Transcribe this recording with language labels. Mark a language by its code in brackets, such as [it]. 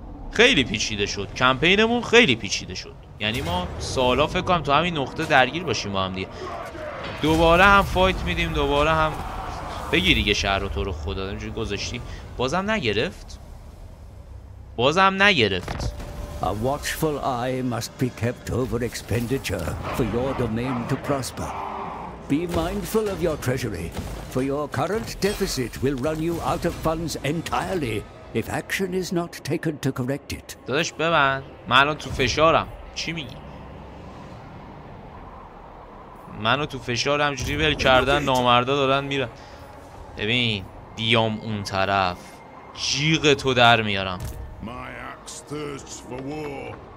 [fa] خیلی پیچیده شد کمپینمون، خیلی پیچیده شد، یعنی ما سالا فکر کنم تو همین نقطه درگیر باشیم با هم دیگه، دوباره هم فایت میدیم، دوباره هم بگیری یه شهر رو تو رو خدا اینجوری گذاشتی، بازم نگرفت، بازم نگرفت. [en] A watchful eye must be kept over expenditure for your domain to prosper. Be mindful of your treasury, for your current deficit will run you out of funds entirely if action is not taken to correct it. [fa] داداش ببن، منو تو فشارم. چی میگی؟ منو تو فشارم، جوری ول کردن، نامردا دارن میرن. ببین، بیام اون طرف، جیغ تو در میارم. [en] Thirsts for war.